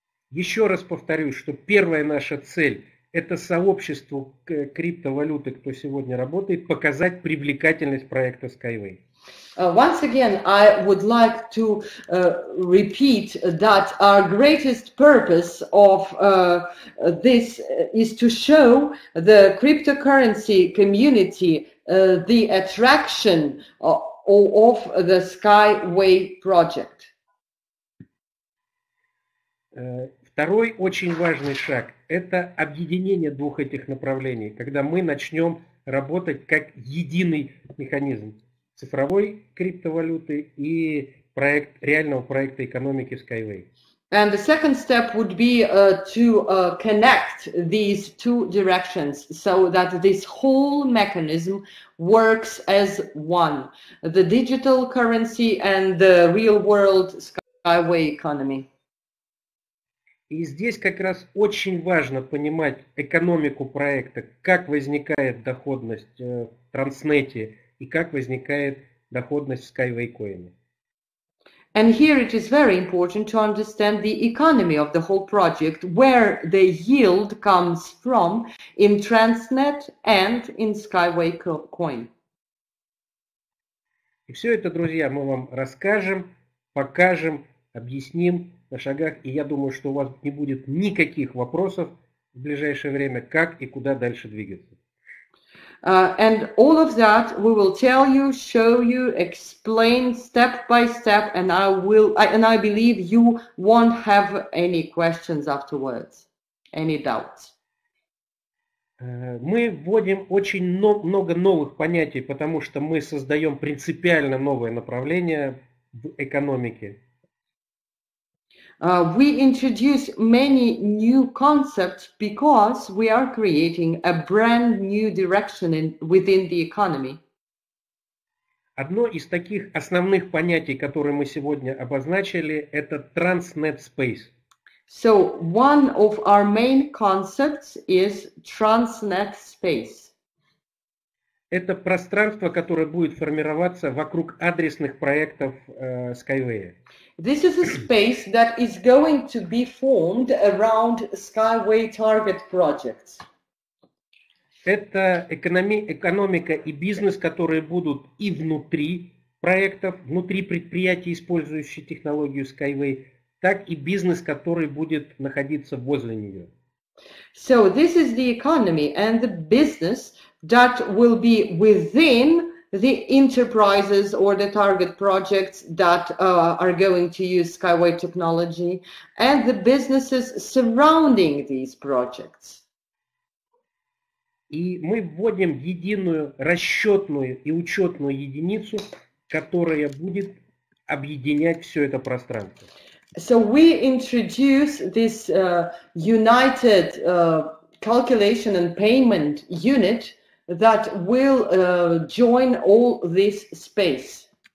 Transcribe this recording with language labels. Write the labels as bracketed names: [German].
[Russian] Еще раз повторюсь, что первая наша цель – это сообществу криптовалюты, кто сегодня работает, показать привлекательность проекта Skyway. [English] Once again, I would like to repeat that our greatest purpose of this is to show the cryptocurrency community the attraction of the Skyway project. [Russian] Второй очень важный шаг – это объединение двух этих направлений, когда мы начнем работать как единый механизм. Цифровой криптовалюты и проект реального проекта экономики Skyway. [English] And the second step would be to connect these two directions so that this whole mechanism works as one. The digital currency and the real world Skyway economy. [Russian] И здесь как раз очень важно понимать экономику проекта, как возникает доходность в Транснете, и как возникает доходность в Skyway Coin. [English] And here it is very important to understand the economy of the whole project, where the yield comes from in Transnet and in Skyway Coin. [Russian] И все это, друзья, мы вам расскажем, покажем, объясним на шагах, и я думаю, что у вас не будет никаких вопросов в ближайшее время, как и куда дальше двигаться. [English] And all of that we will tell you, show you, explain step by step, and I believe you won't have any questions afterwards, any doubts. [Russian] Мы вводим очень много новых понятий, потому что мы создаем принципиально новое направление в экономике. [English] We introduce many new concepts because we are creating a brand new direction within the economy. [Russian] Одно из таких основных понятий, которые мы сегодня обозначили, это Transnet Space. [English] So one of our main concepts is Transnet Space. [Russian] Это пространство, которое будет формироваться вокруг адресных проектов Skyway. [English] This is a space that is going to be formed around Skyway target projects. [Russian] Это экономика и бизнес, которые будут и внутри проектов, внутри предприятий, использующих технологию Skyway, так и бизнес, который будет находиться возле нее. [English] So this is the economy and the business that will be within the enterprises or the target projects that are going to use Skyway technology and the businesses surrounding these projects. [Russian] И мы вводим единую расчетную и учетную единицу, которая будет объединять все это пространство. [English] So we introduce this united calculation and payment unit that will join all this space.